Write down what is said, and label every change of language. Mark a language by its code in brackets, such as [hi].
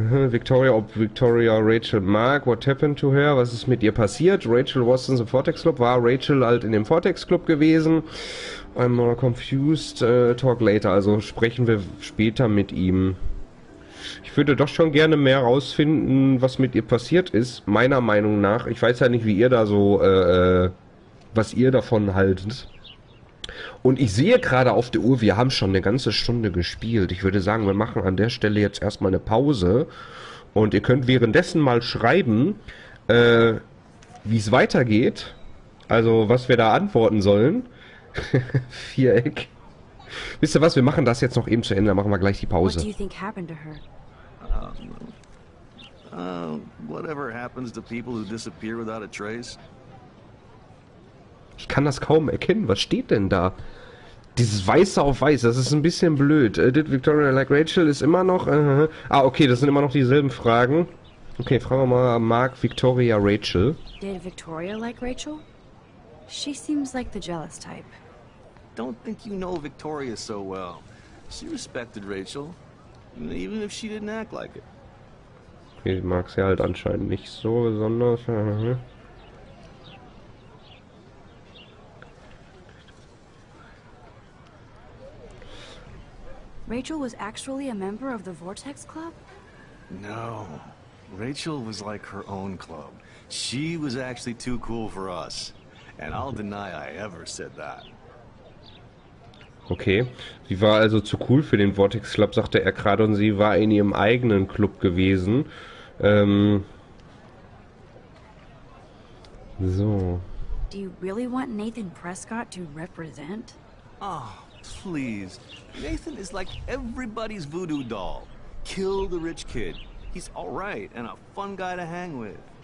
[de] Victoria, ob Victoria Rachel mag, [en] what happened to her? [de] Was ist mit ihr passiert? [en] Rachel was in the Vortex Club, [de] war Rachel halt in dem Vortex Club gewesen? [en] I'm more confused, talk later, [de] also sprechen wir später mit ihm. Ich würde doch schon gerne mehr rausfinden, was mit ihr passiert ist, meiner Meinung nach. Ich weiß ja nicht, wie ihr da so, was ihr davon haltet. Und ich sehe gerade auf der Uhr, wir haben schon eine ganze Stunde gespielt. Ich würde sagen, wir machen an der Stelle jetzt erstmal eine Pause. Und ihr könnt währenddessen mal schreiben, wie es weitergeht. Also, was wir da antworten sollen. Viereck. Wisst ihr was, wir machen das jetzt noch eben zu Ende, dann machen wir gleich die Pause. [en] What do you think happened to her? Whatever happens to people who disappear without a trace. [de] Ich kann das kaum erkennen, was steht denn da? Dieses Weiße auf Weiß, das ist ein bisschen blöd. [en] Did Victoria like Rachel [de] ist immer noch... Ah, okay, das sind immer noch dieselben Fragen. Okay, fragen wir mal, mag Victoria Rachel? [en] Did Victoria like Rachel? She seems like the jealous type. Don't think you know Victoria so well. She respected Rachel, even if she didn't act like it. [de] Ich mag sie halt anscheinend nicht so besonders. [en] Rachel was actually a member of the Vortex Club? No. Rachel was like her own club. She was actually too cool for us. And I'll deny I ever said that. [de] Okay, sie war also zu cool für den Vortex Club, sagte er gerade, und sie war in ihrem eigenen Club gewesen. So. [en] Do you really want Nathan Prescott to represent? Oh, please. Nathan is like everybody's voodoo doll. Kill the rich kid. He's all right and a fun guy to hang with.